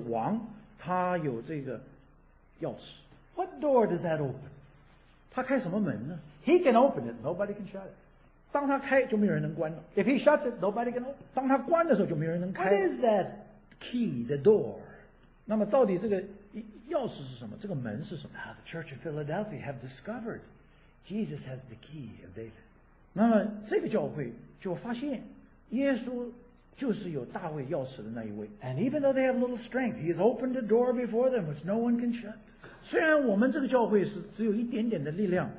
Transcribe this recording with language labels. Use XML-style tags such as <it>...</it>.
<zh>那么当年这位大卫他是王,他有这个钥匙。</zh> <en>What door does that open?</en> <zh>他开什么门呢?</zh> <en>He can open it, nobody can shut it.</en> <zh>当他开就没有人能关了。</zh> <en>If he shuts it, nobody can open it.</en> <zh>当他关的时候就没有人能开。</zh> <en>What is that key, the door?</en> <zh>那么到底这个钥匙是什么? 这个门是什么?</zh> <en>Now the church of Philadelphia have discovered Jesus has the key of David.</en> <zh>那么这个教会就发现耶稣就是有大卫钥匙的那一位。</zh> <en>And even though they have little strength, he has opened a door before them which no one can shut.</en> <zh>虽然我们这个教会是只有一点点的力量,</zh>